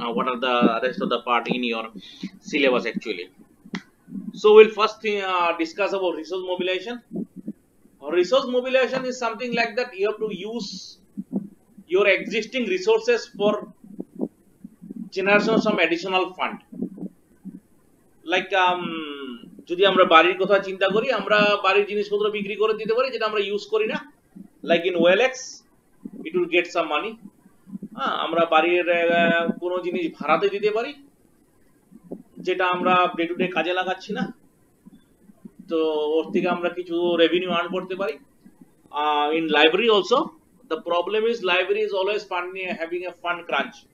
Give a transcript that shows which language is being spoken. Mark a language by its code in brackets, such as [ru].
[en] What are the rest of the part in your syllabus actually? So we'll first discuss about resource mobilization. Resource mobilization is something like that. You have to use your existing resources for generation of some additional fund. [bn] Like যদি আমরা বাড়ির কথা চিন্তা করি, আমরা বাড়ির জিনিসপত্র বিক্রি করে দিতে পারি যেটা আমরা ইউজ করি না. [en] Like in OLX, it will get some money. [bn] আমরা বাড়ির কোনো জিনিস ভাড়াতে দিতে পারি যেটা আমরা ডে টু ডে কাজে লাগাচ্ছি না, তো ওর থেকে আমরা কিছু রেভিনিউ আর্ন করতে পারি. [en] In library also the problem is library is always having a fund crunch.